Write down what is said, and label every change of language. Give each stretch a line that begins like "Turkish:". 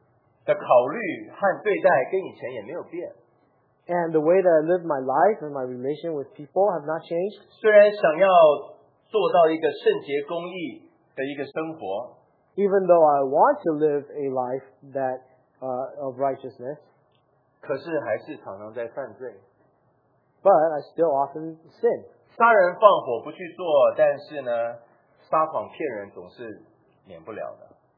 Chinese: 我的生活行为对人对事的考虑和对待跟以前也没有变,
English: and the way that I live my life and my relation with people have not changed.
Chinese: 虽然想要做到一个圣洁公义的一个生活,
English: even though I want to live a life that of righteousness,
Chinese: 可是还是常常在犯罪,
English: but I still often sin.
Chinese: 杀人放火不去做, 但是呢, 撒谎骗人总是免不了的,